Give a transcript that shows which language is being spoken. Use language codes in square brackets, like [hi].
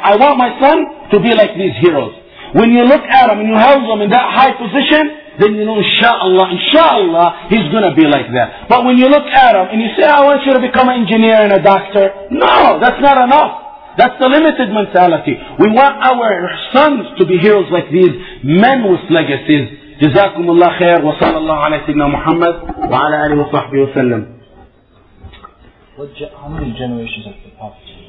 [en] I want my son to be like these heroes. When you look at him and you hold him in that high position, then you know, inshallah, he's going to be like that. But when you look at him and you say, I want you to become an engineer and a doctor. No, that's not enough. That's the limited mentality. We want our sons to be heroes like these men with legacies. [ar] جزاكم الله خير وصلى الله على سيدنا محمد وعلى آله وصحبه وسلم. [en] How many generations of the Prophet